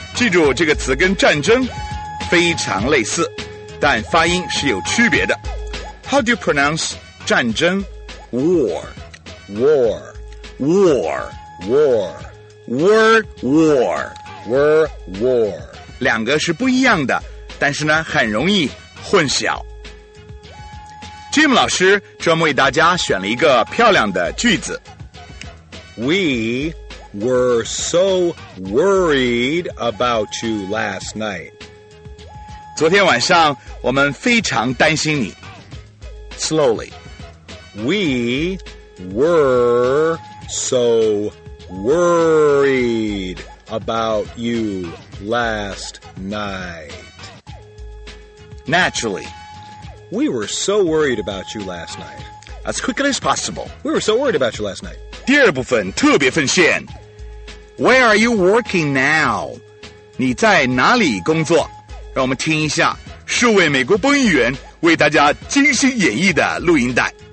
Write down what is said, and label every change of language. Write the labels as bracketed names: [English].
[Chinese] 住这个词跟战争非常类似，但发音是有区别的。 [English] How do you pronounce 战争？ War War War War War War War War [Chinese] 两个是不一样的，但是呢很容易混淆。 Jim 老师专门为大家选了一个漂亮的句子。 [English] We were so worried about you last night. [Chinese] 昨天晚上我们非常担心你。 [English] Slowly. We were so worried about you last night. Naturally. We were so worried about you last night. As quickly as possible. We were so worried about you last night. [Chinese] 第二部分特别奉献。 [English] Where are you working now? [Chinese] 你在哪里工作？让我们听一下数位美国播音员为大家精心演绎的录音带。